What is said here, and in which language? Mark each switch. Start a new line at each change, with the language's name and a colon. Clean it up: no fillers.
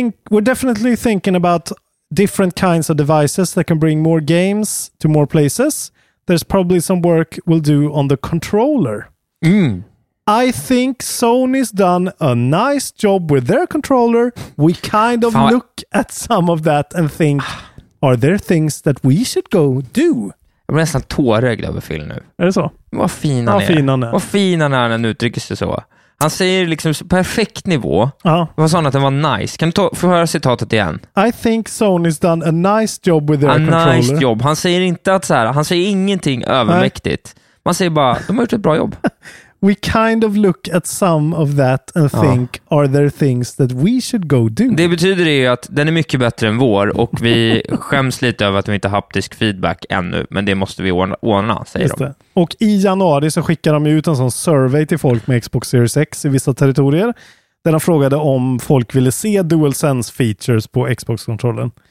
English: We're definitely thinking about different kinds of devices that can bring more games to more places. There's probably some work we'll do on the controller. Mm. I think Sony's done a nice job with their controller. We kind of look at some of that and think, are there things that we should go do?
Swedish: Jag blir nästan tårögd över Phil nu. Är det så? Vad fin han är. Vad fin han är när han uttrycker sig så. Han säger liksom perfekt nivå. Uh-huh. Vad sa han att den var nice? Kan du få höra citatet igen?
English: I think Sony's done a nice job with their controller. Nice job.
Swedish: Han säger inte att så här, han säger ingenting övermäktigt. Nej. Man säger bara, de har gjort ett bra jobb.
English: We kind of look at some of that and think, are there things that we should go do?
Swedish: Det betyder ju att den är mycket bättre än vår och vi skäms lite över att vi inte har haptisk feedback ännu, men det måste vi ordna, säger just de. Det. Och i januari så skickar de ut en sån survey till folk med Xbox Series X i vissa territorier där de frågade om folk ville se DualSense features på Xbox-kontrollen.